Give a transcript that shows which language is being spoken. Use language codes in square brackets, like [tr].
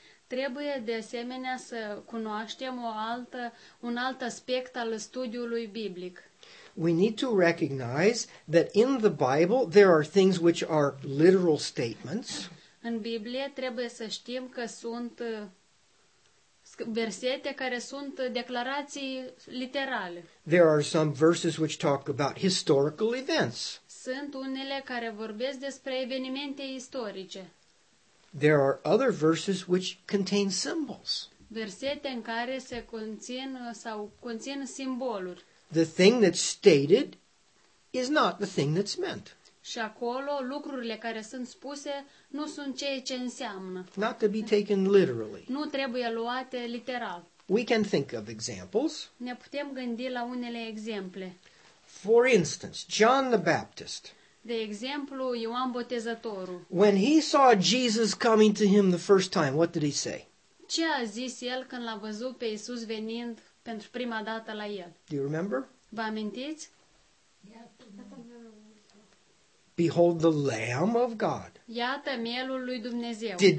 [ro] Trebuie de asemenea să cunoaștem un alt aspect al studiului biblic. [en] We need to recognize that in the Bible there are things which are literal statements. [ro] În Biblie trebuie să știm că sunt versete care sunt declarații literale. [en] There are some verses which talk about historical events. [ro] Sunt unele care vorbesc despre evenimente istorice. [en] There are other verses which contain symbols. [ro] Versete în care se conțin sau conțin simboluri. [en] The thing that's stated is not the thing that's meant. [ro] Și acolo lucrurile care sunt spuse nu sunt ceea ce înseamnă. [en] Not to be taken literally. [ro] Nu trebuie luate literal. [en] We can think of examples. [ro] Ne putem gândi la unele exemple. [en] For instance, John the Baptist. [ro] De exemplu, Ioan Botezătorul. [en] When he saw Jesus coming to him the first time, what did he say? [ro] Ce a zis el când l-a văzut pe Iisus venind pentru prima dată la el? [en] Do you remember? [ro] Vă amintiți? [en] Behold the Lamb of God. [ro] Iată mielul lui Dumnezeu.